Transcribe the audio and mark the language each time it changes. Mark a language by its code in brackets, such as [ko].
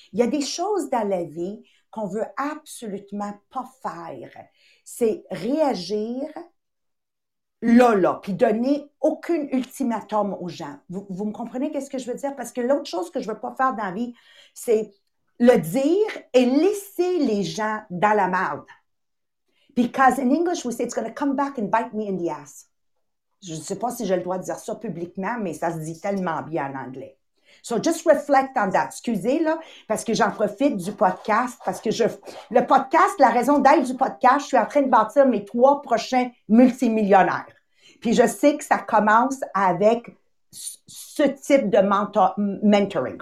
[fr] Il y a des choses dans la vie qu'on veut absolument pas faire, c'est réagir là, puis donner aucun ultimatum aux gens. Vous me comprenez qu'est-ce que je veux dire? Parce que l'autre chose que je veux pas faire dans la vie, c'est le dire et laisser les gens dans la merde. [en] Because in English we say it's going to come back and bite me in the ass. [fr] Je ne sais pas si j'ai le droit de dire ça publiquement, mais ça se dit tellement bien en anglais. [en] So just reflect on that. [fr] Excusez là, parce que j'en profite du podcast, parce que le podcast, la raison d'être du podcast, je suis en train de bâtir mes 3 prochains multimillionnaires. Puis je sais que ça commence avec ce type de mentoring.